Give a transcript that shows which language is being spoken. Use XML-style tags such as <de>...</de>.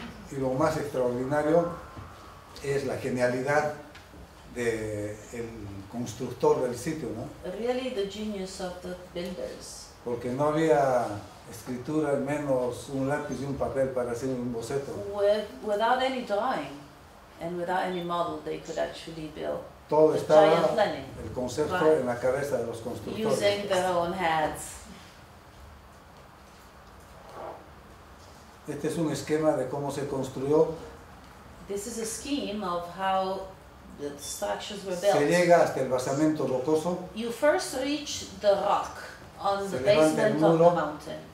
<es>Y lo más extraordinario es la genialidad del constructor del sitio, ¿no?</es> <en>Really the genius of the builders.</en> <es>Porque no había escritura, al menos un lápiz y un papel para hacer un boceto.</es> <en>Without any drawing and without any model, they could actually build.</en> <es>Todo estaba el concepto en la cabeza de los constructores.</es> <en>Using their own heads.</en> <es>Este es un esquema de cómo se construyó.</es> <en>This is a scheme of how the structures were built.</en> <es>Se llega hasta el basamento rocoso.</es> <en>You first reach the rock on the basement of the mountain.</en>